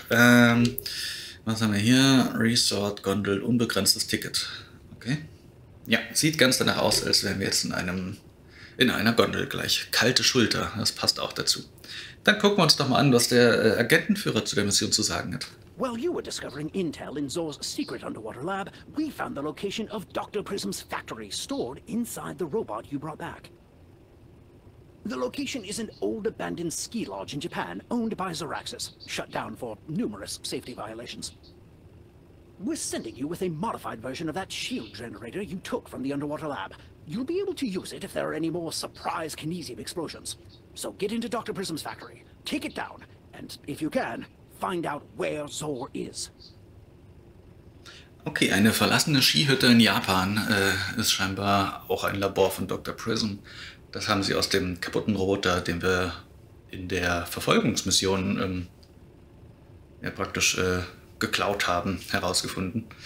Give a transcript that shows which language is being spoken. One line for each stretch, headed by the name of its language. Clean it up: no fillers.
German: Was haben wir hier? Resort, Gondel, unbegrenztes Ticket. Okay. Ja, sieht ganz danach aus, als wären wir jetzt in einer Gondel gleich. Kalte Schulter, das passt auch dazu. Dann gucken wir uns doch mal an, was der Agentenführer zu der Mission zu sagen hat.
English: While you were discovering intel in Zor's secret underwater lab, we found the location of Dr. Prism's factory stored inside the robot you brought back. The location is an old abandoned ski lodge in Japan owned by Zoraxis, shut down for numerous safety violations. We're sending you with a modified version of that shield generator you took from the underwater lab. You'll be able to use it if there are any more surprise kinesium explosions. So get into Dr. Prism's factory, take it down, and if you can, find out where Zor is.
German: Okay, eine verlassene Skihütte in Japan ist scheinbar auch ein Labor von Dr. Prism. Das haben sie aus dem kaputten Roboter, den wir in der Verfolgungsmission ja, praktisch geklaut haben, herausgefunden.